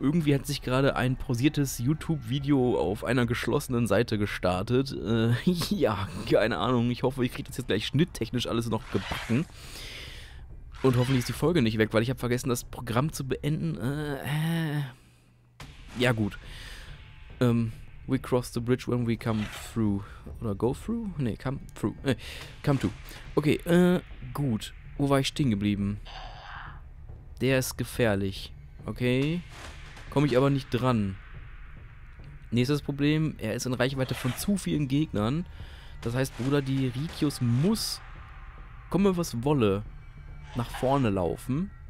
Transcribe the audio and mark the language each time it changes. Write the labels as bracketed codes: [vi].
[de] Irgendwie hat sich gerade ein pausiertes YouTube-Video auf einer geschlossenen Seite gestartet. Ja, keine Ahnung. Ich hoffe, ich kriege das jetzt gleich schnitttechnisch alles noch gebacken. Und hoffentlich ist die Folge nicht weg, weil ich habe vergessen, das Programm zu beenden. Ja, gut. [en] We cross the bridge when we come through. Oder go through? Nee, come through. Come to. Okay, gut. [de] Wo war ich stehen geblieben? Der ist gefährlich. Okay. Komme ich aber nicht dran. Nächstes Problem. Er ist in Reichweite von zu vielen Gegnern. Das heißt, Bruder Dirikius muss, komme was wolle, nach vorne laufen.